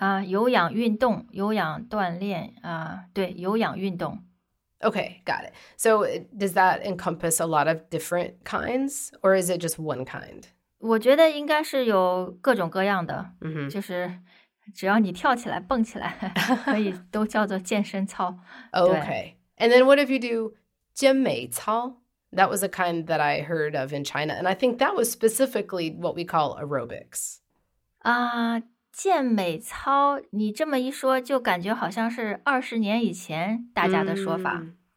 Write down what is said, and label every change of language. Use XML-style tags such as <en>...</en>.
<zh>有氧运动有氧锻炼、对有氧运动</zh> <en>Okay, got it. So does that encompass a lot of different kinds, or is it just one kind?</en> <zh>我觉得应该是有各种各样的、mm-hmm. 就是只要你跳起来蹦起来可以都叫做健身操</zh> <en>Okay, and then what if you do 健美操 That was a kind that I heard of in China, and I think that was specifically what we call aerobics.</en> <zh>啊、健美操你这么一说就感觉好像是二十年以前大家的说法、mm-hmm.</zh>